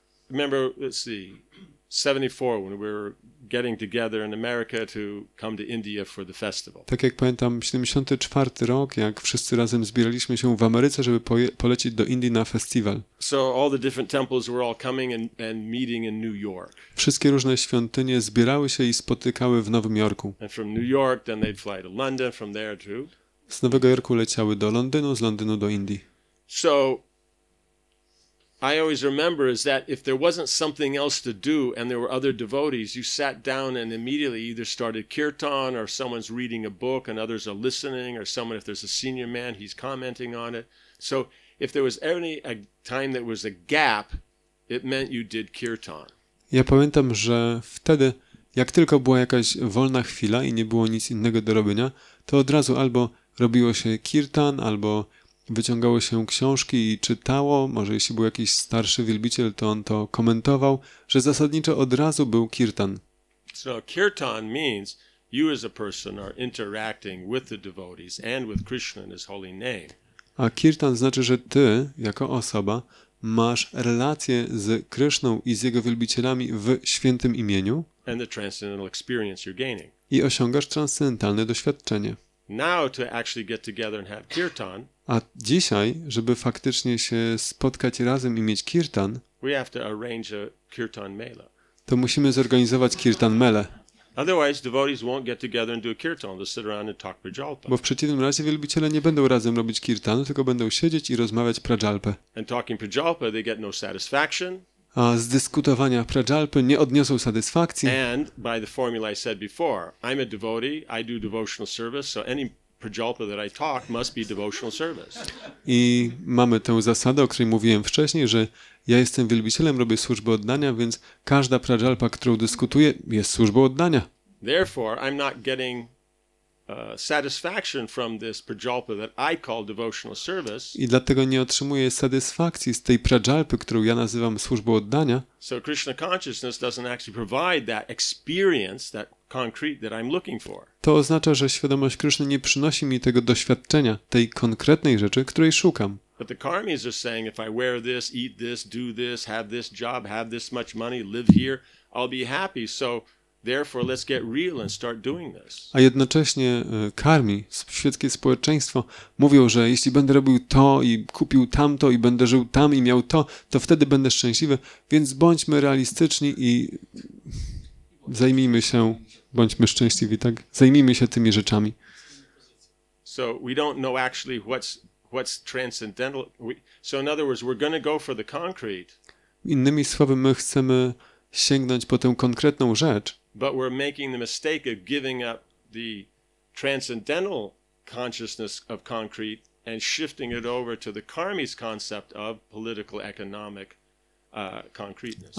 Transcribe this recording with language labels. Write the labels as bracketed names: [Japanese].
[English] Remember, let's see, 74, when we were getting together in America to come to India for the festival. [Polish] Tak jak pamiętam, 74 rok, jak wszyscy razem zbieraliśmy się w Ameryce, żeby polecieć do Indii na festiwal. [English] So all the different temples were all coming and meeting in New York. [Polish] Wszystkie różne świątynie zbierały się i spotykały w Nowym Jorku. [English] And from New York then they'd fly to London, from there to. [Polish] Z Nowego Jorku leciały do Londynu, z Londynu do Indii. [English] So I always remember is that if there wasn't something else to do and there were other devotees, you sat down and immediately either started kirtan or someone's reading a book and others are listening or someone, if there's a senior man, he's commenting on it. So if there was any time that was a gap, it meant you did kirtan. [Polish] Ja pamiętam, że wtedy, jak tylko była jakaś wolna chwila i nie było nic innego do robienia, to od razu albo robiło się kirtan, albo wyciągało się książki i czytało, może jeśli był jakiś starszy wielbiciel, to on to komentował, że zasadniczo od razu był kirtan. [English] So kirtan means you as a person are interacting with the devotees and with Krishna in his holy name. [Polish] A kirtan znaczy, że ty jako osoba masz relacje z Krishną i z jego wielbicielami w świętym imieniu. [English] And the transcendental experience you're gaining. [Polish] I osiągasz transcendentalne doświadczenie. [English] Now to actually get together and have kirtan. [Polish] A dzisiaj, żeby faktycznie się spotkać razem i mieć kirtan, [English] we have to arrange a kirtan mela. [Polish] To musimy zorganizować kirtan mele. [English] Otherwise, devotees won't get together and do a kirtan. They'll sit around and talk prajalpa. [Polish] Bo w przeciwnym razie wielbiciele nie będą razem robić kirtan, tylko będą siedzieć i rozmawiać prajalpę. [English] And talking prajalpa, they get no satisfaction. [Polish] A z dyskutowania prajalpy nie odniosą satysfakcji. [English] And by the formula I said before, I'm a devotee, I do devotional service, so any prajalpa that I talk must be devotional service. [Polish] I mamy tę zasadę, o której mówiłem wcześniej, że ja jestem wielbicielem, robię służbę oddania, więc każda prajalpa, którą dyskutuję, jest służbą oddania. [English] Therefore, I'm not getting satisfaction from this prajalpa that I call devotional service. [Polish] I dlatego nie otrzymuję satysfakcji z tej prajalpy, którą ja nazywam służbą oddania. [English] So Krishna consciousness doesn't actually provide that experience, that concrete that I'm looking for. [Polish] To oznacza, że świadomość Kryszny nie przynosi mi tego doświadczenia, tej konkretnej rzeczy, której szukam. [English] But the karmis are saying if I wear this, eat this, do this, have this job, have this much money, live here, I'll be happy. So therefore, let's get real and start doing this. [Polish] A jednocześnie karmi, świeckie społeczeństwo, mówią, że jeśli będę robił to i kupił tamto i będę żył tam i miał to, to wtedy będę szczęśliwy, więc bądźmy realistyczni i zajmijmy się, bądźmy szczęśliwi, tak? Zajmijmy się tymi rzeczami. [English] So we don't know actually what's transcendental. So in other words, we're going to go for the concrete. [Polish] Innymi słowy, my chcemy sięgnąć po tę konkretną rzecz. [English] But we're making the mistake of giving up the transcendental consciousness of concrete and shifting it over to the karmi's concept of political economic concreteness.